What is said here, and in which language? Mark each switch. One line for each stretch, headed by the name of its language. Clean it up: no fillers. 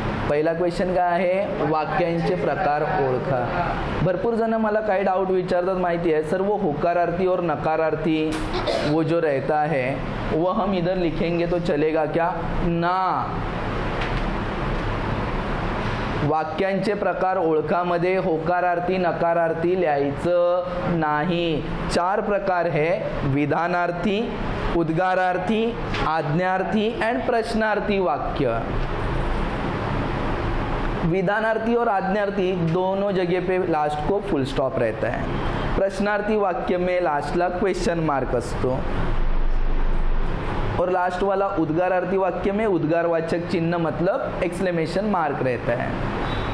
Hindi: पहला क्वेश्चन का है
Marathi: वाक्यांचे प्रकार ओळखा। भरपूर जन मला काय डाउट विचारतात माहिती आहे सर,
Hindi: वो होकारार्थी और नकारार्थी वो जो रहता है वो हम इधर लिखेंगे तो चलेगा क्या?
Marathi: ना, वाक्यांचे प्रकार ओळखा मध्ये होकारार्थी नकारार्थी लिहायचं नाही।
Hindi: 4 प्रकार है, विधानार्थी, उद्गारार्थी, आज्ञार्थी एंड प्रश्नार्थी वाक्य। विधानार्थी और आज्ञार्थी दोनों जगह पे लास्ट को फुल स्टॉप रहता है, प्रश्नार्थी वाक्य में
Marathi: लास्टला क्वेश्चन मार्क असतो,
Hindi: और लास्ट वाला उद्गारार्थी वाक्य में उद्गारवाचक चिन्ह मतलब एक्सक्लेमेशन मार्क रहता है।